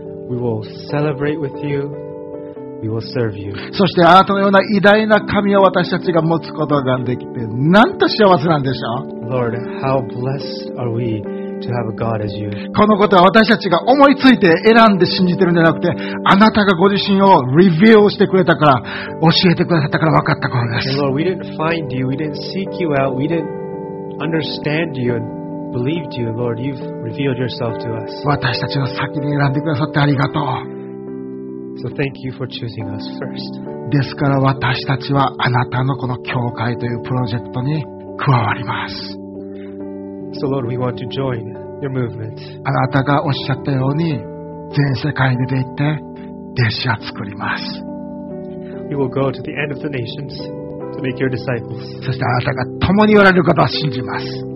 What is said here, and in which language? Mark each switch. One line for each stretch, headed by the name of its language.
English: We will celebrate with you. We will serve you.
Japanese: そしてあなたのような偉大な神を私たちが持つことができて、なんと幸せなんでしょう。
English: Lord, how blessed are we to have a God as you.
Japanese: このことは私たちが思いついて選んで信じてるんじゃなくて、あなたがご自身を reveal してくれたから、教えてくださったから分かったことです。
English: Lord, we didn't find you. We didn't seek you out. We didn't understand you. Believed you, Lord. You've revealed yourself to us.
Japanese: 私たちを先に選んでくださってありがとう。
English: So thank you for choosing us first.
Japanese: ですから私たちはあなたのこの教会というプロジェクトに加わります。
English: So Lord, we want to join your movement.
Japanese: あなたがおっしゃったように全世界に出て弟子を作ります。
English: We will go to the end of the nations to make your disciples.
Japanese: そしてあなたが共におられることを信じます。